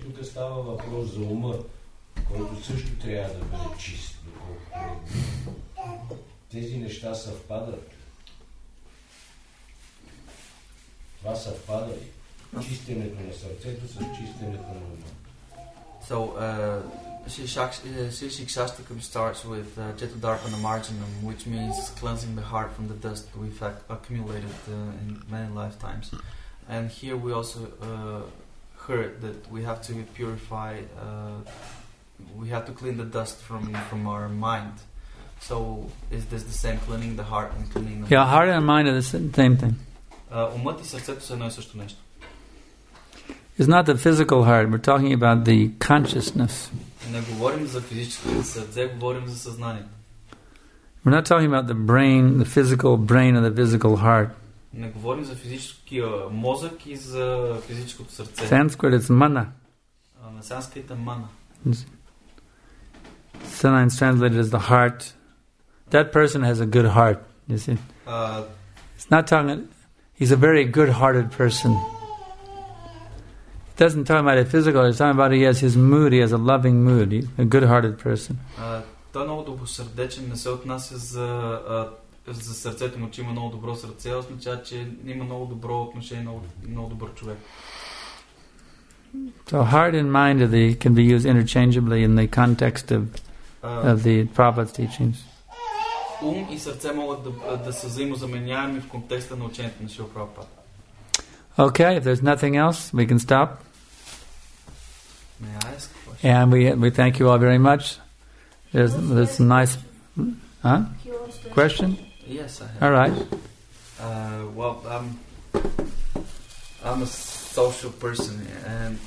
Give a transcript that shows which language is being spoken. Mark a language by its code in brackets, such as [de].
[bg] Става въпрос за ума, който също трябва да бъде чист, доколкото е. Тези неща съвпадат. Това съвпада ли? Чистенето на сърцето с чистенето на ума. [en] So, Shikshastika starts with Chetu Dharpa Namarjanam, which means cleansing the heart from the dust we've accumulated in many lifetimes. And here we also heard that we have to purify, we have to clean the dust from our mind. So is this the same, cleaning the heart and cleaning the mind? Yeah, heart and mind are the same thing. [bg] Умът и сърцето са едно и също нещо. [en] It's not the physical heart, we're talking about the consciousness. [bg] Не говорим за физическото сърце, говорим за съзнанието. [en] We're not talking about the brain, the physical brain or the physical heart. [bg] Не говорим за физическия мозък и за физическото сърце. [en] Sanskrit is mana. [bg] На санскрит е мана. [en] Sanskrit is translated as the heart. That person has a good heart, you see. It's not talking, he's a very good-hearted person. It doesn't talk about it physical, it's talking about he has his mood, he has a loving mood, he's a good-hearted person. [bg] Той е много добросърдечен, не се отнася за сърцето му, че има много добро сърце, означава, че има много добро отношение, много добър човек. [en] So heart and mind can be used interchangeably in the context of the Prabhupada's teachings. [bg] Ум и сърце могат да са взаимозаменяеми в контекста на учението на Шрила Прабхупада. [en] Okay, if there's nothing else, we can stop. May I ask a question? And we thank you all very much. There's a nice question? Yes, I have. All right. I'm a social person. And